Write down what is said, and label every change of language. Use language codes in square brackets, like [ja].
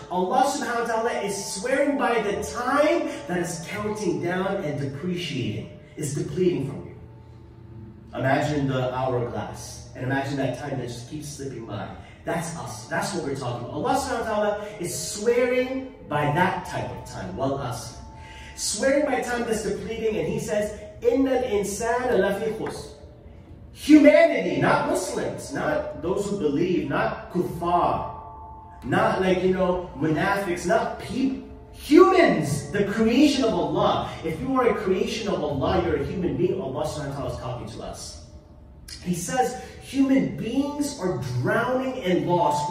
[en] Allah subhanahu wa ta'ala is swearing by the time that is counting down and depreciating. It's depleting from you. Imagine the hourglass. And imagine that time that just keeps slipping by. That's us. That's what we're talking about. Allah subhanahu wa ta'ala is swearing by that type of time. [ar] Wal asr. [en] Swearing by time that's depleting. And he says, [ar] إِنَّ الْإِنسَانَ لَفِي خُسْرٍ. [en] Humanity, not Muslims, not those who believe, not kuffar, not like, you know, munafiqs, not people. Humans, the creation of Allah. If you are a creation of Allah, you're a human being. Allah subhanahu wa ta'ala is talking to us. He says, human beings are drowning in loss.